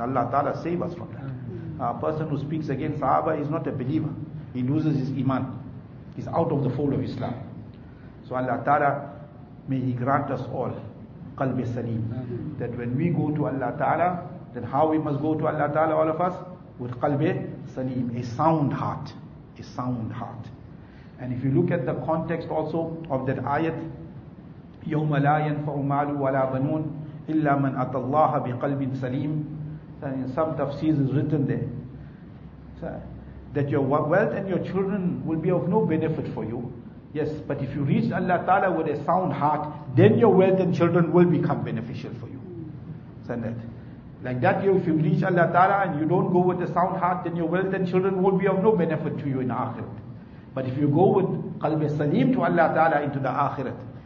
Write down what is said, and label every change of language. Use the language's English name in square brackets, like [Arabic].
[English] Allah Ta'ala save us from that. A person who speaks against Sahaba is not a believer. He loses his iman. He's out of the fold of Islam. So Allah Ta'ala, may He grant us all qalbi salim. That when we go to Allah Ta'ala, then how we must go to Allah Ta'ala, all of us? With qalbi salim, a sound heart. A sound heart. And if you look at the context also of that ayat, [Arabic] يَوْمَ لَا يَنْفَعُ مَالُ وَلَا بَنُونَ إِلَّا مَنْ أَتَى اللَّهَ بِقَلْبٍ سَلِيمٍ. [English] In some tafsirs is written there that your wealth and your children will be of no benefit for you. Yes, but if you reach Allah Ta'ala with a sound heart, then your wealth and children will become beneficial for you. That. Like that, if you reach Allah Ta'ala and you don't go with a sound heart, then your wealth and children will be of no benefit to you in the Akhirat. But if you go with [Arabic] قَلْبِ السَّلِيمِ [English] to Allah Ta'ala into the Akhirat,